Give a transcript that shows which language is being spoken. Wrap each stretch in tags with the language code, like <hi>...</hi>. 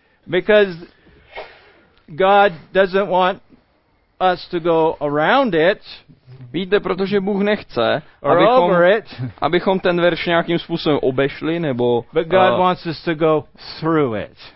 <en>Because God doesn't want us to go around it.</en> <cs>Víte, protože Bůh nechce, abychom ten verš nějakým způsobem obešli nebo</cs> <en>but God wants us to go through it.</en>